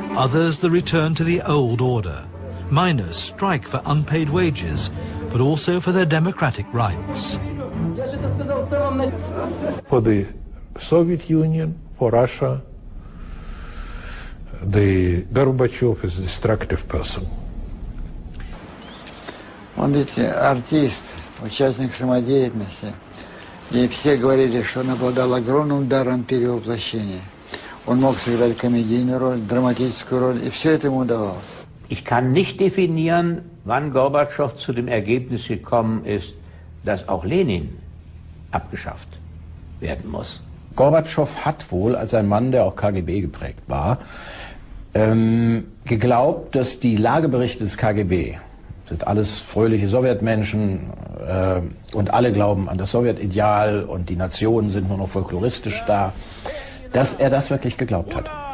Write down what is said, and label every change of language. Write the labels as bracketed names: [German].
[English] Others the return to the old order. Miners strike for unpaid wages, but also for their democratic rights. For the Soviet Union, for Russia, the Gorbachev is a destructive person. [Russian] Он ведь артист, участник самодеятельности. И все говорили, что он обладал огромным даром перевоплощения. Он мог сыграть комедийную роль, драматическую роль, и все это ему удавалось. [German] Ich kann nicht definieren, wann Gorbatschow zu dem Ergebnis gekommen ist, dass auch Lenin abgeschafft werden muss. Gorbatschow hat wohl als ein Mann, der auch KGB geprägt war, geglaubt, dass die Lageberichte des KGB sind alles fröhliche Sowjetmenschen und alle glauben an das Sowjetideal und die Nationen sind nur noch folkloristisch da, dass er das wirklich geglaubt hat.